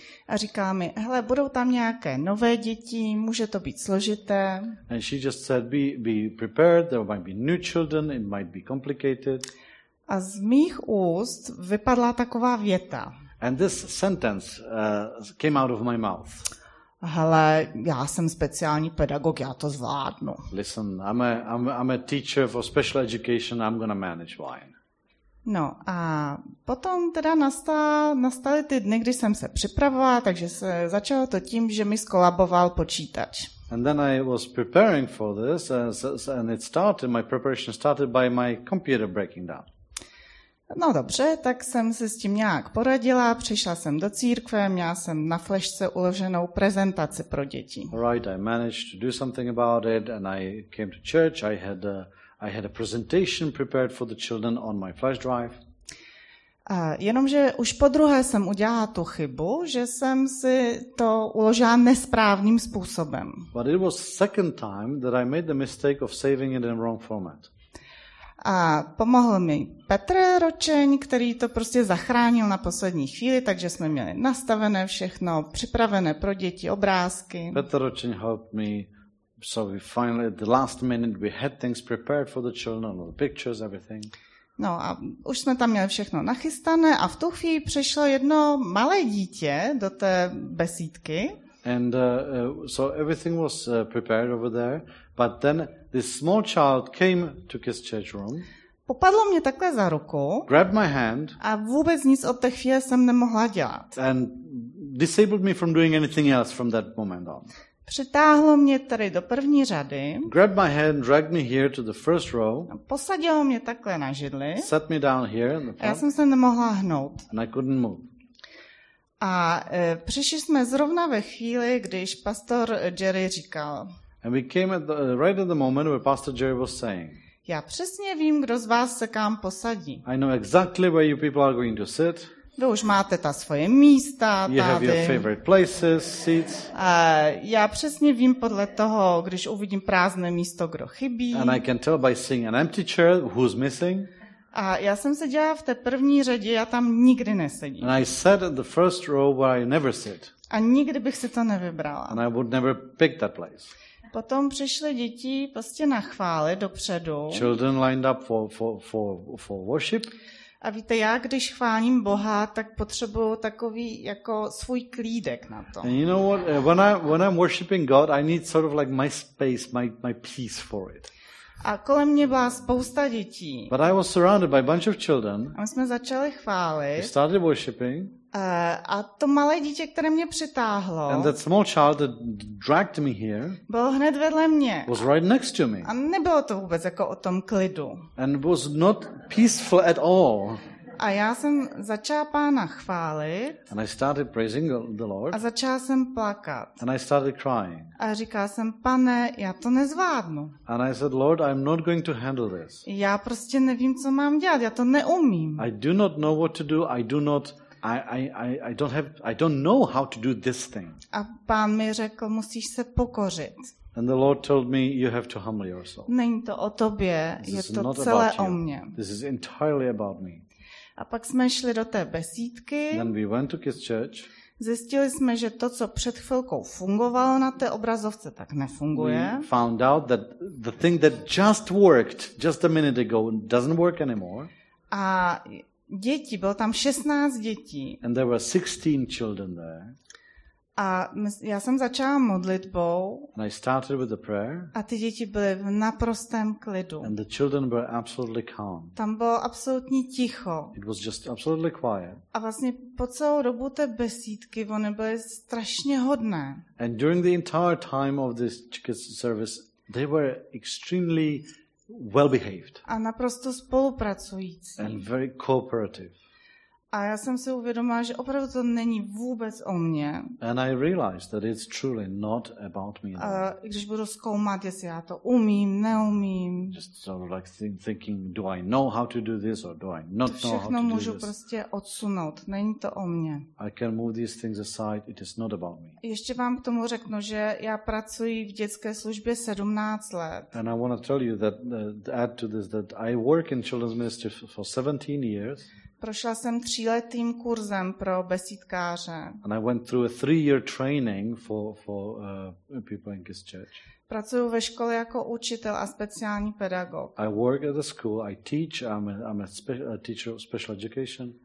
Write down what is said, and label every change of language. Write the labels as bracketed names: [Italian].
[Czech] A říkala mi, hele, budou tam nějaké nové děti, může to být složité. [English] And she just said, be prepared, there might be new children, it might be complicated. [Czech] A z mých úst vypadla taková věta. [English] And this sentence came out of my mouth. [Czech] Hele, já jsem speciální pedagog, já to zvládnu. [English] Listen, I'm a teacher for special education, I'm gonna manage fine. [Czech] No a potom teda nastaly ty dny, kdy jsem se připravovala, takže se začalo to tím, že mi skolaboval počítač. [English] And then I was preparing for this and it started, my preparation started by my computer breaking down. [Czech] No dobře, tak jsem se s tím nějak poradila, přišla jsem do církve, měla jsem na flešce uloženou prezentaci pro děti. [English] Right, I managed to do something about it and I came to church. I had a presentation prepared for the children on my flash drive. [Czech] Jenomže už podruhé jsem udělala tu chybu, že jsem si to uložila nesprávným způsobem. [English] But it was second time that I made the mistake of saving it in the wrong format. [Czech] A pomohl mi Petr Ročeň, který to prostě zachránil na poslední chvíli, takže jsme měli nastavené všechno, připravené pro děti obrázky. [English] Petr Ročeň helped me, so we finally at the last minute we had things prepared for the children, all the pictures, everything. [Czech] No a už jsme tam měli všechno nachystané a v tu chvíli přišlo jedno malé dítě do té besídky. [English] And so everything was prepared over there, but then this small child came to his church room. [Czech] Popadlo mě takhle za ruku. [English] Grabbed my hand. [Czech] A vůbec nic od té chvíle jsem nemohla dělat. [English] And disabled me from doing anything else from that moment on. [Czech] Přitáhlo mě tady do první řady. [English] Grabbed my hand, dragged me here to the first row. [Czech] Posadilo mě takhle na židli. [English] Set me down here in the front. [Czech] Já jsem se nemohla hnout. [English] And I couldn't move. [Czech] A přišli jsme zrovna ve chvíli, když pastor Jerry říkal. [English] And we came at right at the moment where Pastor Jerry was saying. [Czech] Já přesně vím, kdo z vás se kam posadí. [English] I know exactly where you people are going to sit. [Czech] Vy už máte ta svoje místa, tady. [English] You have your favorite places, seats. [Czech] Já přesně vím podle toho, když uvidím prázdné místo, kdo chybí. [English] And I can tell by seeing an empty chair who's missing. [Czech] A já jsem seděla v té první řadě, já tam nikdy nesedím. [English] And I sat in the first row where I never sit. [Czech] A nikdy bych si to nevybrala. [English] And I would never pick that place. [Czech] Potom přišly děti prostě na chvály dopředu. [English] Children lined up for worship. [Czech] A víte, já když chválím Boha, tak potřebuju takový jako svůj klídek na to. [English] And you know what? When I'm worshiping God, I need sort of like my space, my peace for it. [Czech] A kolem mě byla spousta dětí. [English] But I was surrounded by a bunch of children. [Czech] A my jsme začali chválit. [English] We started worshiping. [Czech] A to malé dítě, které mě přitáhlo. [English] And that small child that dragged me here. [Czech] Bylo hned vedle mě. [English] Was right next to me. [Czech] A nebylo to vůbec jako o tom klidu. [English] And was not peaceful at all. [Czech] A já jsem začala Pána chválit. [English] And I started praising the Lord. [Czech] A začala jsem plakat. [English] And I started crying. [Czech] A říkala jsem: Pane, já to nezvládnu. [English] And I said, Lord, I'm not going to handle this. [Czech] Já prostě nevím, co mám dělat. Já to neumím. [English] I do not know what to do. I don't know how to do this thing. [Czech] A Pán mi řekl: Musíš se pokořit. [English] And the Lord told me, you have to humble yourself. [Czech] Není to o tobě, je to celé o mně. [English] This is entirely about me. [Czech] A pak jsme šli do té besídky. [English] Then we went to his church. [Czech] Zjistili jsme, že to, co před chvilkou fungovalo na té obrazovce, tak nefunguje. [English] We found out that the thing that just worked just a minute ago doesn't work anymore. [Czech] A děti, bylo tam 16 dětí. [English] And there were 16 children there. [Czech] A já jsem začala modlitbou. [English] And I started with the prayer. [Czech] A ty děti byly v naprostém klidu. [English] And the children were absolutely calm. [Czech] Tam bylo absolutní ticho. [English] It was just absolutely quiet. [Czech] A vlastně po celou dobu té besídky oni byly strašně hodné. [English] And during the entire time of this service, they were extremely well behaved. [Czech] A naprosto spolupracující. [English] And very cooperative. [Czech] A já jsem si uvědomila, že opravdu to není vůbec o mně. [English] And I realized that it's truly not about me. [Czech] A když budu zkoumat, jestli já to umím, neumím. [English] Just sort of like thinking, do I know how to do this or do I not know how to do this? [Czech] Všechno můžu prostě odsunout, není to o mně. [English] I can move these things aside, it is not about me. [Czech] Ještě vám k tomu řeknu, že já pracuji v dětské službě 17 let. [English] And I want to tell you that add to this that I work in children's ministry for 17 years. [Czech] Prošla jsem tříletým kurzem pro besídkáře. [English] And I went through a 3-year training for people in his church. [Czech] Pracuju ve škole jako učitel a speciální pedagog. [English] I work at the school, I teach, I'm a teacher of special education.